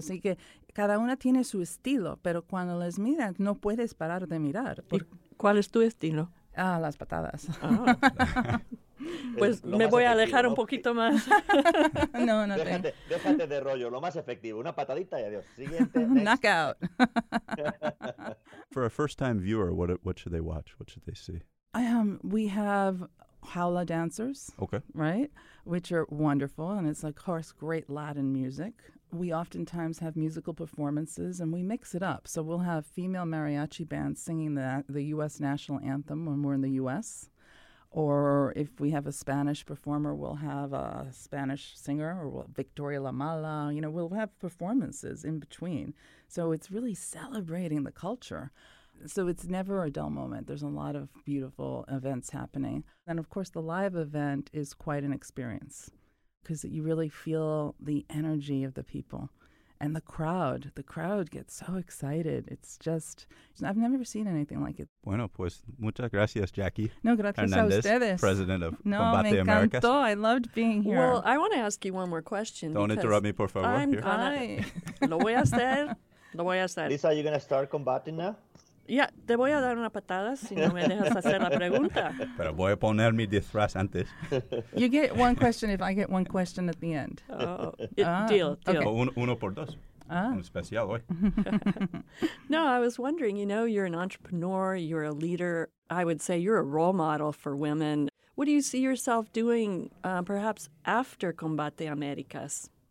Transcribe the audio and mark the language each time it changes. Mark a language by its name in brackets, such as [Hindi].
[Spanish] Así que cada una tiene su estilo, pero cuando les miras no puedes parar de mirar. ¿Cuál es tu estilo? Ah, las patadas. Oh. Pues me voy a alejar, ¿no? Un poquito más. No, no. Déjate de rollo, lo más efectivo. Una patadita y adiós. Siguiente. Knockout. [English] For a first-time viewer, what should they watch? What should they see? We have Jaula Dancers, okay, right? Which are wonderful, and it's, of course, great Latin music. We oftentimes have musical performances, and we mix it up. So we'll have female mariachi bands singing the U.S. national anthem when we're in the U.S., or if we have a Spanish performer, we'll have a Spanish singer, or Victoria La Mala. You know, we'll have performances in between. So it's really celebrating the culture. So it's never a dull moment. There's a lot of beautiful events happening. And of course, the live event is quite an experience because you really feel the energy of the people and the crowd. The crowd gets so excited. It's just, I've never seen anything like it. [Spanish] Bueno, pues muchas gracias, Jackie. No, gracias Hernandez, a ustedes. [English] President of [Spanish] no, [English] Combate [Spanish] me encantó. [English] Americas. I loved being here. Well, I want to ask you one more question. Don't interrupt me, [Spanish] por favor. [English] I'm going [Spanish] Lo voy a hacer. Lo voy a hacer. [English] Lisa, are you going to start combating now? [Spanish] Ya, yeah, te voy a dar una patada si no me dejas hacer la pregunta. Pero voy a poner mi disfraz antes. [English] You get one question if I get one question at the end. Deal. [Spanish] Okay. Uno por dos. Ah. Un especial hoy. [English] No, I was wondering, you know, you're an entrepreneur, you're a leader. I would say you're a role model for women. What do you see yourself doing perhaps after Combate Americas?